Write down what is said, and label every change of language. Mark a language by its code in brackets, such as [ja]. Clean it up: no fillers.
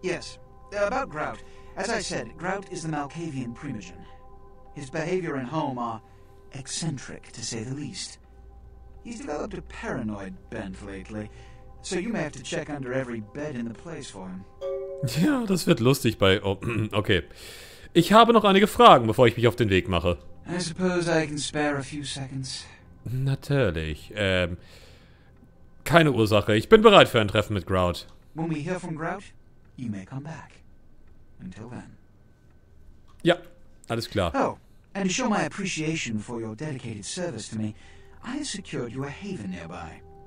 [en] Yes. About Grout. As I said, Grout is the Malkavian Primogen. His behavior and home are eccentric, to say the least. He's developed a paranoid bent lately, so you may have to check under every bed in the place for him. [de] Ja, das wird lustig bei... Okay. Ich habe noch einige Fragen, bevor ich mich auf den Weg mache. [en] I suppose I can spare a few seconds. [de] Natürlich. Keine Ursache. Ich bin bereit für ein Treffen mit Grout. [en] When we hear from Grout, you may come back. Until then. [de] Ja, alles klar. [en] Oh, and to show my appreciation for your dedicated service to me, I have secured you a haven nearby.